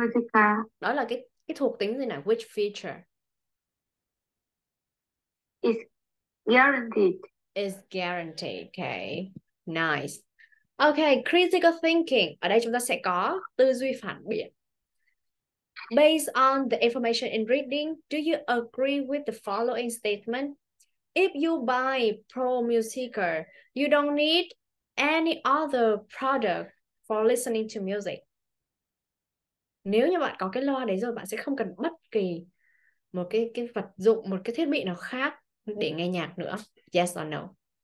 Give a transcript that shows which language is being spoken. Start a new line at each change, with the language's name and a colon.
Vietnamese: musica. Đó là cái thuộc tính gì nào?
English: Which feature? It's guaranteed. Is guaranteed. Okay. Nice. Okay, critical thinking.
Vietnamese: Ở đây chúng ta sẽ có tư duy phản biện.
English: Based on the information in reading, do you agree with the following statement? If you buy Pro Musica, you don't need any other product for listening to music.
Vietnamese: Nếu như bạn có cái loa đấy rồi, bạn sẽ không cần bất kỳ một cái vật dụng, một cái thiết bị nào khác để nghe nhạc nữa.
English: Yes or no?